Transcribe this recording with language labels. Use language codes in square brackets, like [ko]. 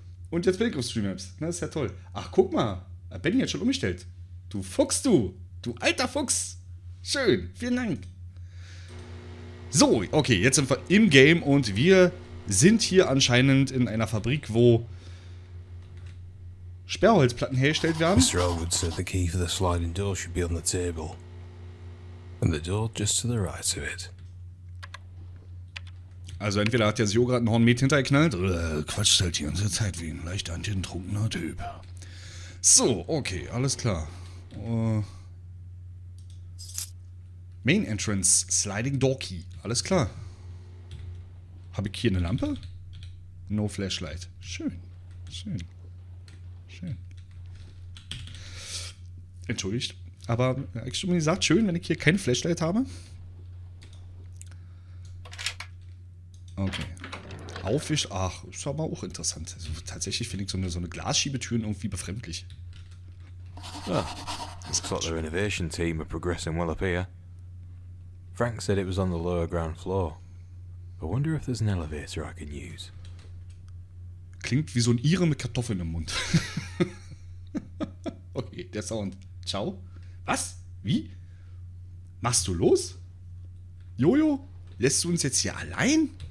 [de] Und jetzt bin ich auf Streamlabs. Na, ist ja toll. Ach, guck mal. Benni hat schon umgestellt. Du Fuchs, du. Du alter Fuchs. Schön, vielen Dank. So, okay, jetzt sind wir im Game und wir sind hier anscheinend in einer Fabrik, wo Sperrholzplatten hergestellt werden. [en] Mr. Elwood said the key for the sliding door should be on the table. And the door just to the right of it. [de] Also entweder hat der Sio gerade ein Hornmet hintergeknallt oder quatscht halt die ganze Zeit wie ein leicht angetrunkener Typ. So, okay, alles klar. Main Entrance, Sliding Door Key. Alles klar. Habe ich hier eine Lampe? No Flashlight. Schön. Schön. Schön. Entschuldigt. Aber ich habe mir gesagt, schön, wenn ich hier kein Flashlight habe. Okay. Aufwisch. Ach, ist aber auch interessant. Also, tatsächlich finde ich so eine Glasschiebetüren irgendwie befremdlich. [en] Ja. Das looks like their innovation team are progressing well up here. Frank said it was on the lower ground floor. I wonder if there's an elevator I can use. [de] Klingt wie so ein Ire mit Kartoffeln im Mund. Okay, der Sound. Ciao. Was? Wie? Machst du los? Jojo? Lässt du uns jetzt hier allein?